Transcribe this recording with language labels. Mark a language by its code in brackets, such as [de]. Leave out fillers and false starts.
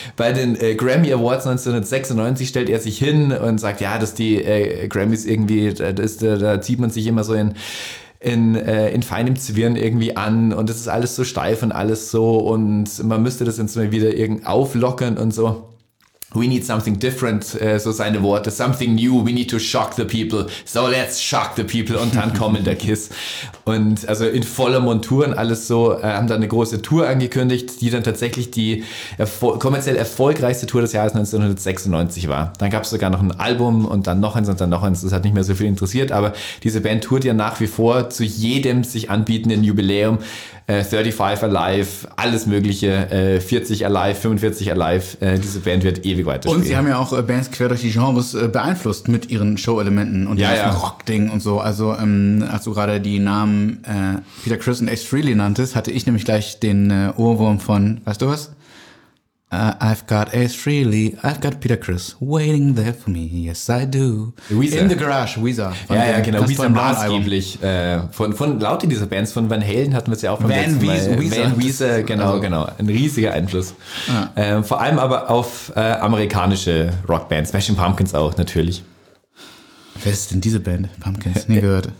[de] Bei den Grammy Awards 1996 stellt er sich hin und sagt, ja, dass die Grammys irgendwie, da zieht man sich immer so in feinem Zwirn irgendwie an und es ist alles so steif und alles so und man müsste das jetzt mal wieder irgendwie auflockern und so. [en] We need something different, [de] so seine Worte. [en] Something new, we need to shock the people. So let's shock the people. [de] Und dann kommen der Kiss. Und also in voller Montur und alles so, haben dann eine große Tour angekündigt, die dann tatsächlich die kommerziell erfolgreichste Tour des Jahres 1996 war. Dann gab es sogar noch ein Album und dann noch eins und dann noch eins. Das hat nicht mehr so viel interessiert, aber diese Band tourt ja nach wie vor zu jedem sich anbietenden Jubiläum. 35 Alive, alles mögliche, 40 Alive, 45 Alive, diese Band wird ewig weiter spielen. Und sie haben ja auch Bands quer durch die Genres beeinflusst mit ihren Show-Elementen und diesem Rock-Ding und so. Also als du gerade die Namen Peter Criss und Ace Frehley nanntest, hatte ich nämlich gleich den Ohrwurm von, weißt du was? [en] I've got Ace Frehley, I've got Peter Criss waiting there for me, yes I do. [de] Weezer. In the Garage, Weezer. Genau, Weezer maßgeblich. Von lauter dieser Bands, von Van Halen hatten wir es ja auch beim letzten Mal. Weezer, genau. Ein riesiger Einfluss. Ja. Vor allem aber auf amerikanische Rockbands, Smashing Pumpkins auch natürlich. Wer ist denn diese Band? Pumpkins, nie gehört.